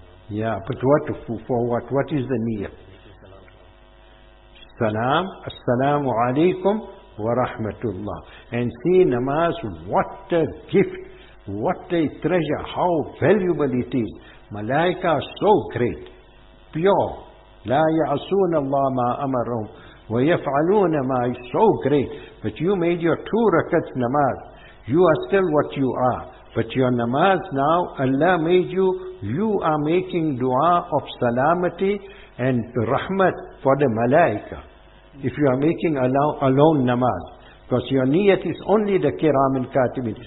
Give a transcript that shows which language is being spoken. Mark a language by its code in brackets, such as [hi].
[en] Yeah, but what for what? What is the niyat? Salam, assalamu alaikum wa rahmatullah. And see namaz, what a gift, what a treasure, how valuable it is. Malaika are so great. Pure. [ar] لا يعصون الله ما أمرهم ويفعلون ما [en] is so great. But you made your two rakats namaz. You are still what you are. But your namaz now, Allah made you. You are making dua of salamati and rahmat for the malaika. If you are making alone namaz. Because your niyat is only the kiram and katibin.